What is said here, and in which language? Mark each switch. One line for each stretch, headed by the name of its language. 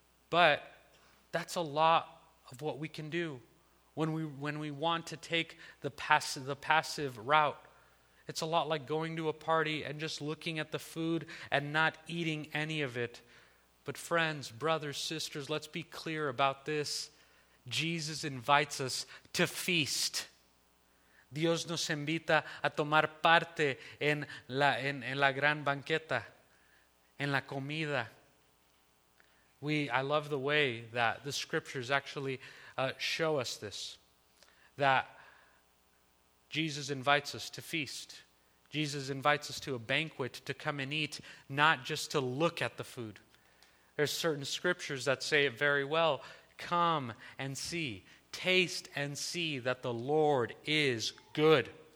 English: But that's a lot of what we can do when we want to take the passive route. It's a lot like going to a party and just looking at the food and not eating any of it. But friends, brothers, sisters, let's be clear about this. Jesus invites us to feast.
Spanish: Dios nos invita a tomar parte en la gran banqueta, en la comida.
English: I love the way that the scriptures actually show us this, that Jesus invites us to feast. Jesus invites us to a banquet to come and eat, not just to look at the food. There's certain scriptures that say it very well. Come and see, taste and see that the Lord is good.